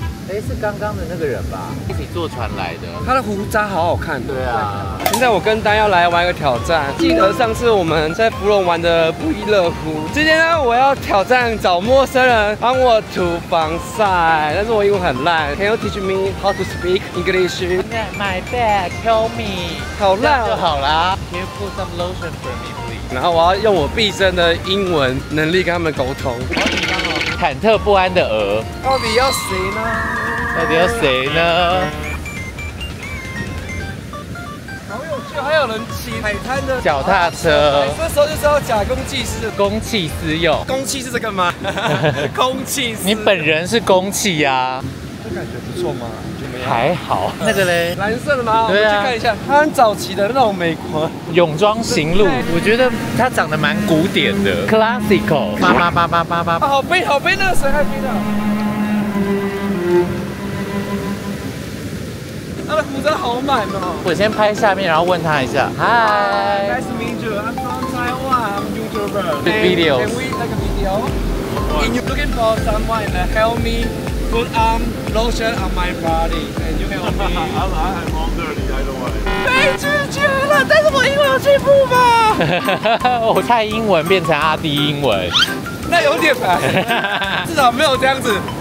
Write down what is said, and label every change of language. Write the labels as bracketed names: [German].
[Chinese] 哎，是刚刚的那个人吧？一起坐船来的，他的胡渣好好看。对啊，现在我跟丹要来玩一个挑战。记得上次我们在芙蓉玩的不亦乐乎。今天呢，我要挑战找陌生人帮我涂防晒，但是我英文很烂。 [English] Can you teach me how to speak English? My bad, tell me. [Chinese] 好烂、哦、就好啦。 [English] Can you put some lotion for me, please? [Chinese] 然后我要用我毕生的英文能力跟他们沟通。忐忑不安的鹅，到底要谁呢？到底要谁呢？好有趣，还有人骑海滩的脚踏车。这时候就是要假公济私，公器私用。公器是这个吗？公器私，你本人是公器啊。这感觉不错吗？还好，那个嘞，蓝色的吗？对啊，我们去看一下，它很早期的那种美国泳装行路，我觉得它长得蛮古典的 ，classical。八八八八八八，好背好背，那个水太冰了。他的胡子好满哦。我先拍下面，然后问他一下。 [English] Hi， nice to meet you. I'm from Taiwan. I'm YouTuber. The video. Can we take a video? And you looking for someone to help me? Put lotion on my body, and you help me. I'm all dirty. I don't want it. [Chinese] 拒绝了，但是我英文有进步吗？我蔡英文变成阿弟英文，那有点烦，至少没有这样子。